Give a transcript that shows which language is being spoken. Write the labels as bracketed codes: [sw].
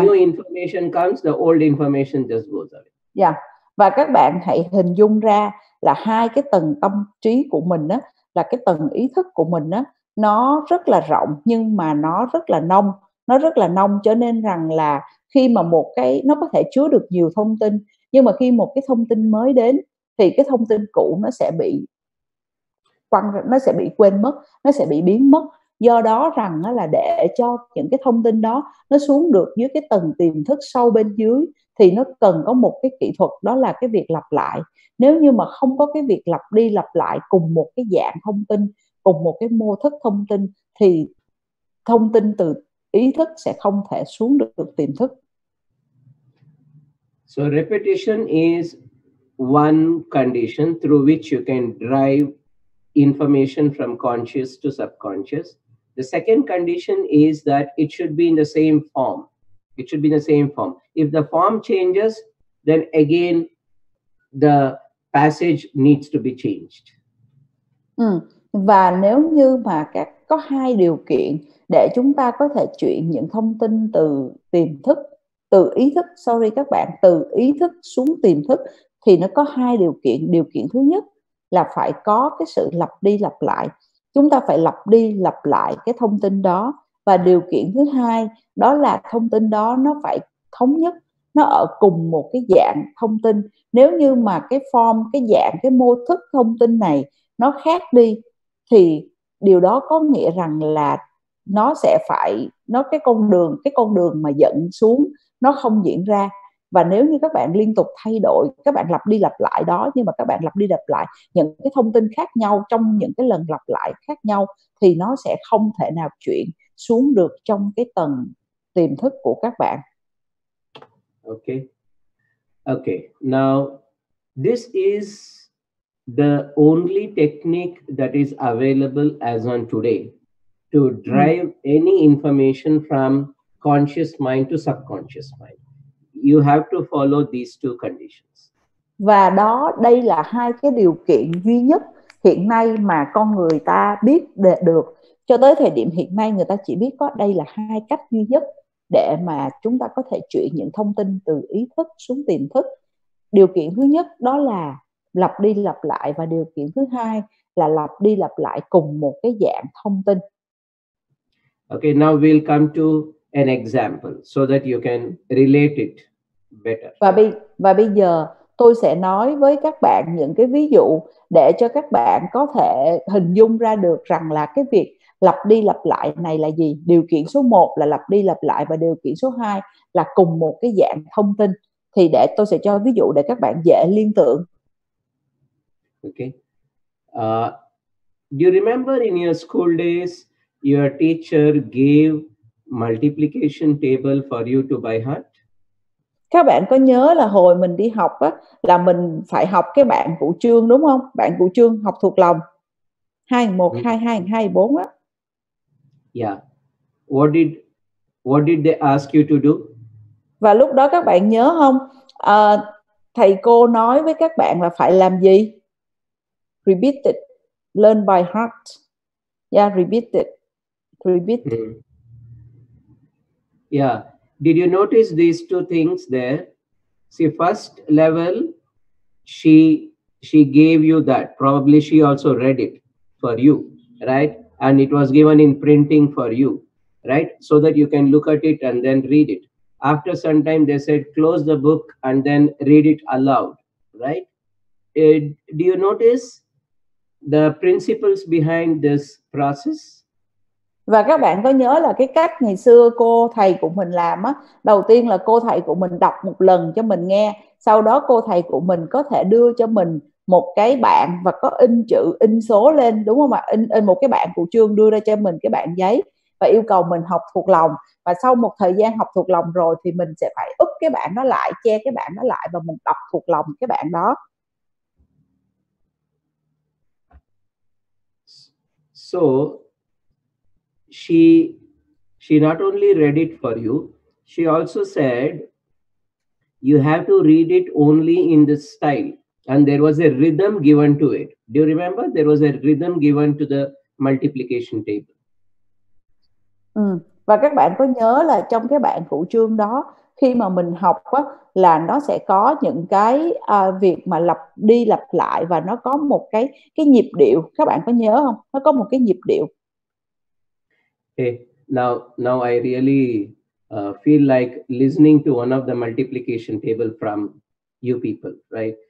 [en] new information comes, the old information just goes away. Yeah. [vi] Và các bạn hãy hình dung ra là hai cái tầng tâm trí của mình á, là cái tầng ý thức của mình á, nó rất là rộng nhưng mà nó rất là nông. Nó rất là nông cho nên rằng là khi mà một cái, nó có thể chứa được nhiều thông tin, nhưng mà khi một cái thông tin mới đến thì cái thông tin cũ nó sẽ bị quăng, nó sẽ bị quên mất, nó sẽ bị biến mất. Do đó rằng là để cho những cái thông tin đó nó xuống được dưới cái tầng tiềm thức sâu bên dưới thì nó cần có một cái kỹ thuật, đó là cái việc lặp lại. Nếu như mà không có cái việc lặp đi lặp lại cùng một cái dạng thông tin, cùng một cái mô thức thông tin thì thông tin từ ý thức sẽ không thể xuống được tiềm thức. [en] So repetition is one condition through which you can drive information from conscious to subconscious. The second condition is that it should be in the same form. It should be in the same form. If the form changes, then again the passage needs to be changed. [vi] Ừ. Và nếu như mà các có hai điều kiện để chúng ta có thể chuyển những thông tin từ tiềm thức, từ ý thức, sorry các bạn, từ ý thức xuống tiềm thức thì nó có hai điều kiện. Điều kiện thứ nhất là phải có cái sự lặp đi lặp lại. Chúng ta phải lặp đi lặp lại cái thông tin đó. Và điều kiện thứ hai đó là thông tin đó nó phải thống nhất, nó ở cùng một cái dạng thông tin. Nếu như mà cái form, cái dạng, cái mô thức thông tin này nó khác đi thì điều đó có nghĩa rằng là nó sẽ phải, nó cái con đường mà dẫn xuống nó không diễn ra. Và nếu như các bạn liên tục thay đổi, các bạn lặp đi lặp lại đó, nhưng mà các bạn lặp đi lặp lại những cái thông tin khác nhau trong những cái lần lặp lại khác nhau thì nó sẽ không thể nào chuyển xuống được trong cái tầng tiềm thức của các bạn. [en] Okay. Okay. Now, this is the only technique that is available as on today to drive any information from conscious mind to subconscious mind. You have to follow these two conditions. [vi] Và đó, đây là hai cái điều kiện duy nhất hiện nay mà con người ta biết được. Cho tới thời điểm hiện nay, người ta chỉ biết có đây là hai cách duy nhất để mà chúng ta có thể chuyển những thông tin từ ý thức xuống tiềm thức. Điều kiện thứ nhất đó là lặp đi lặp lại, và điều kiện thứ hai là lặp đi lặp lại cùng một cái dạng thông tin. [en] Okay, now we'll come to an example so that you can relate it better. [vi] Và bây giờ tôi sẽ nói với các bạn những cái ví dụ để cho các bạn có thể hình dung ra được rằng là cái việc lặp đi lặp lại này là gì. Điều kiện số 1 là lặp đi lặp lại và điều kiện số 2 là cùng một cái dạng thông tin. Thì để tôi sẽ cho ví dụ để các bạn dễ liên tưởng. [en] Okay. Do you remember in your school days your teacher gave multiplication table for you to by heart? [vi] Các bạn có nhớ là hồi mình đi học á, là mình phải học cái bảng cụ chương đúng không? Bảng cụ chương học thuộc lòng. 2 1 2 2 2 4 á. [en] Yeah. What did they ask you to do? [vi] Và lúc đó các bạn nhớ không? Thầy cô nói với các bạn là phải làm gì? [en] Repeat it. Learn by heart. Yeah, repeat it. Repeat it. Yeah. Did you notice these two things there? See, first level, she gave you that. Probably she also read it for you, right? And it was given in printing for you, right? So that you can look at it and then read it. After some time, they said, close the book and then read it aloud, right? Do you notice the principles behind this process? [vi] Và các bạn có nhớ là cái cách ngày xưa cô thầy của mình làm á, đầu tiên là cô thầy của mình đọc một lần cho mình nghe, sau đó cô thầy của mình có thể đưa cho mình một cái bảng và có in chữ, in số lên, đúng không ạ? In một cái bảng của chương đưa ra cho mình cái bảng giấy và yêu cầu mình học thuộc lòng. Và sau một thời gian học thuộc lòng rồi thì mình sẽ phải úp cái bảng nó lại, che cái bảng nó lại và mình đọc thuộc lòng cái bảng đó. [en] So she not only read it for you, she also said you have to read it only in the style, and there was a rhythm given to it. Do you remember? There was a rhythm given to the multiplication table. [vi] Ừ. Và các bạn có nhớ là trong cái bảng phụ chương đó, khi mà mình học á, là nó sẽ có những cái việc mà lặp đi lặp lại và nó có một cái nhịp điệu, các bạn có nhớ không? Nó có một cái nhịp điệu. [en] Hey, now I really feel like listening to one of the multiplication table from you people, right?